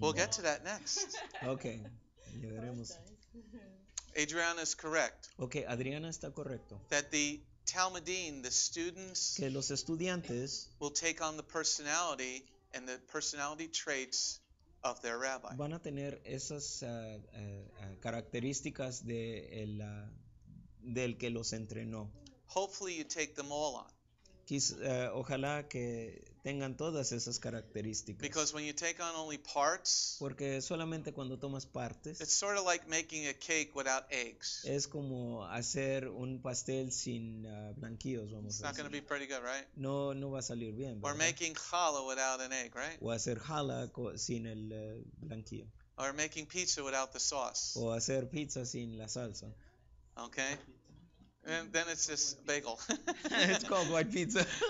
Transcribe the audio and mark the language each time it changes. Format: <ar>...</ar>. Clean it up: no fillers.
<en>We'll get to that next.</en> <es>Okay. Llegaremos.</es> <en>Adriana is correct.</en> <es>Okay, Adriana está correcto.</es> <en>That the Talmudim, the students,</en> <es>que los estudiantes</es> <en>will take on the personality and the personality traits of their rabbi.</en> <es>Van a tener esas características de del que los entrenó.</es> <en>Hopefully you take them all on.</en> <es>Ojalá que tengan todas esas características.</es> <en>Because when you take on only parts,</en> <es>porque solamente cuando tomas partes,</es> <en>it's sort of like making a cake without eggs.</en> <es>Es como hacer un pastel sin blanquillos, vamos a decir.</es> <en>It's not going to be pretty good, right?</en> <es>No va a salir bien, ¿verdad?</es> <en>Or making challah without an egg, right?</en> <es>O hacer challah sin el blanquillo.</es> <en>Or making pizza without the sauce.</en> <es>O hacer pizza sin la salsa.</es> <en>Okay. And then it's just bagel. It's called white pizza.</en>